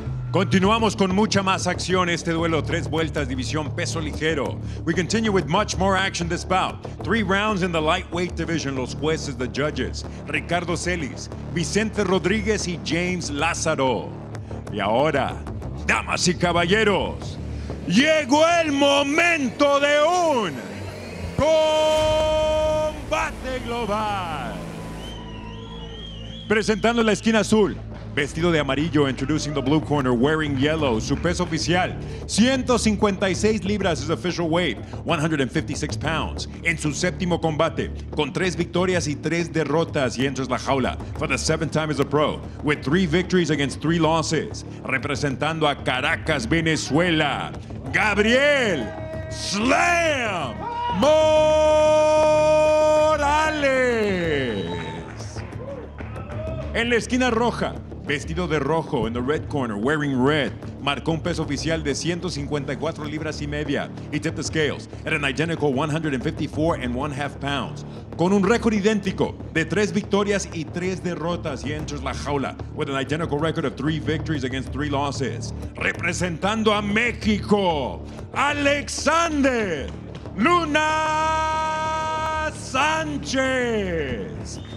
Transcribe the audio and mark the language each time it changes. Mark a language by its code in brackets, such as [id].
[es] Continuamos con mucha más acción este duelo, tres vueltas, división peso ligero. [en] We continue with much more action this bout. Three rounds in the lightweight division, [es] los jueces, [en] the judges, Ricardo Celis, Vicente Rodriguez y James Lázaro. [es] Y ahora, damas y caballeros, llegó el momento de un combate global. Presentando la esquina azul, vestido de amarillo, [en] introducing the blue corner, wearing yellow. [es] Su peso oficial, 156 libras, [en] his official weight, 156 pounds. [es] En su séptimo combate, con tres victorias y tres derrotas, [en] he enters La Jaula for the seventh time as a pro, with three victories against three losses. [es] Representando a Caracas, Venezuela, Gabriel Slam Morales. En la esquina roja, vestido de rojo, [en] in the red corner, wearing red. [es] Marcó un peso oficial de 154 libras y media. [en] He tipped the scales at an identical 154 and one half pounds. [es] Con un récord idéntico de tres victorias y tres derrotas, [en] he enters La Jaula with an identical record of three victories against three losses. [es] Representando a México, Alexander Luna Sanchez.